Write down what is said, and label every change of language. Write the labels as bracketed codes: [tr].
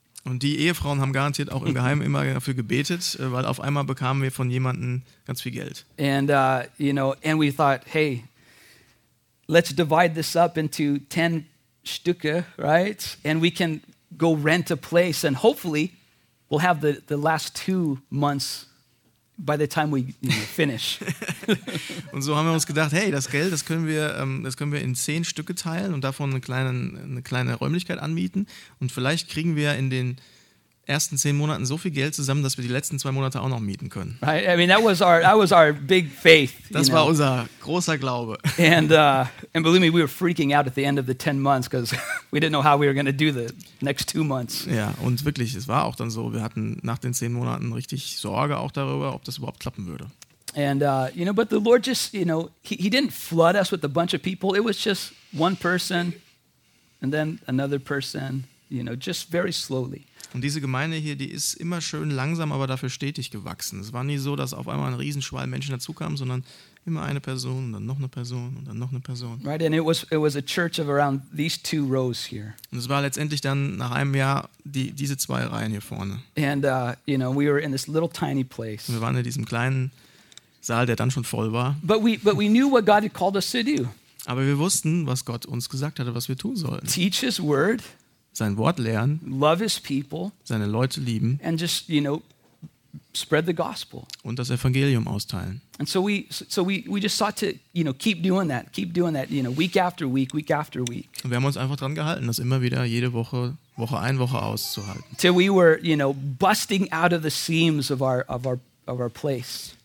[de] Und die Ehefrauen haben garantiert auch im Geheimen immer dafür gebetet, weil auf einmal bekamen wir von jemandem ganz viel Geld. [en] And you know, and we thought, hey, let's divide this up into 10 Stücke, right? And we can go rent a place, and hopefully, we'll have the last 2 months. By the time we finish. [de] Und so haben wir uns gedacht, hey, das Geld, das können wir in 10 Stücke teilen und davon eine kleine Räumlichkeit anmieten. Und vielleicht kriegen wir in den ersten 10 Monaten so viel Geld zusammen, dass wir die letzten 2 Monate auch noch mieten können. [en] Right? I mean, that was our big faith. [de] Das war unser großer Glaube. [en] And believe me, we were freaking out at the end of the 10 months, because we didn't know how we were going to do the next 2 months. [de] Ja, und wirklich, es war auch dann so, wir hatten nach den 10 Monaten richtig Sorge auch darüber, ob das überhaupt klappen würde. [en] And you know, but the Lord just, you know, he didn't flood us with a bunch of people. It was just one person, and then another person. You know, just very slowly. [de] Und diese Gemeinde hier, die ist immer schön langsam, aber dafür stetig gewachsen. Es war nie so, dass auf einmal ein Riesenschwall Menschen dazukam, sondern immer eine Person und dann noch eine Person und dann noch eine Person. [en] Right, and it was a church of around these two rows here. [de] Und es war letztendlich dann nach einem Jahr diese zwei Reihen hier vorne. [en] And you know, we were in this little tiny place. [de] Und wir waren in diesem kleinen Saal, der dann schon voll war. [en] But we knew what God had called us to do. [de] Aber wir wussten, was Gott uns gesagt hatte, was wir tun sollen. [en] Teach His Word. [de] Sein Wort lernen, [en] love his people, [de] seine Leute lieben, [en] and just, you know, spread the gospel [de] und das Evangelium austeilen. [en] And so we just sought to, you know, keep doing that, you know, week after week. [de] Und wir haben uns einfach dran gehalten, das immer wieder jede Woche ein, Woche auszuhalten. [en] Till we were, you know, busting out of the seams of our place.